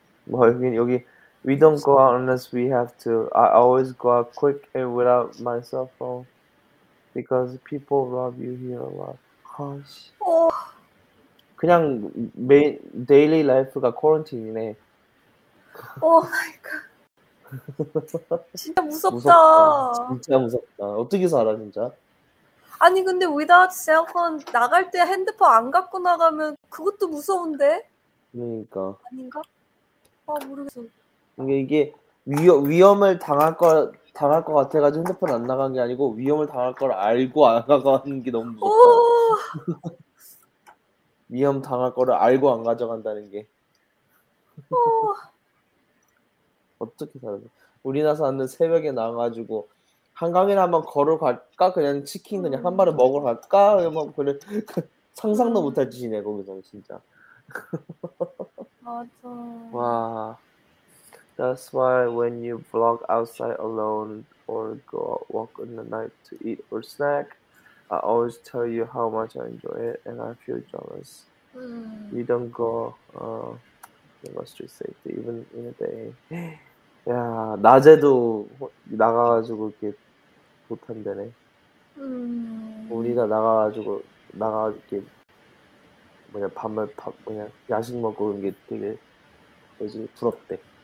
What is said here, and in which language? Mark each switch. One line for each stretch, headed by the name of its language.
Korean: 뭐, 여기,
English: we don't go out unless we have to. I always go out quick and without my cell phone because people rob you here a lot. Gosh.
Korean: 그냥 데일리 라이프가 코런틴이네. 오 마이 갓. 진짜 무섭다. 무섭다. 진짜 무섭다. 어떻게 살아 진짜? 아니 근데
English: without cellphone
Korean: 나갈 때 핸드폰 안 갖고 나가면 그것도 무서운데? 그러니까 아닌가? 아 모르겠어. 이게 위험을 당할 것 같아가지고 핸드폰 안 나간 게 아니고 위험을 당할 걸 알고 안 가가는 게 너무 무섭다. 위험 당할 거를 알고 안 가져간다는 게. 어떻게 살아? 우리나라 사람들 새벽에 나와가지고 한강이나 한번 걸어갈까? 그냥 치킨 그냥 한 마리 먹으러 갈까? 이러면 그래. 상상도 못할 짓이네 거기서 진짜. 맞아. 와.
English: That's why when you vlog outside alone or go walk in the night to eat or snack, I always tell you how much I enjoy it and I feel jealous. You don't go, you must be safe even in a day.
Korean: 야, 낮에도 나가가지고 이렇게 못한다네. 우리가 나가가지고 이렇게 뭐냐 밤을 밥 뭐냐 야식 먹고 그런 게 되게 뭐지 부럽대.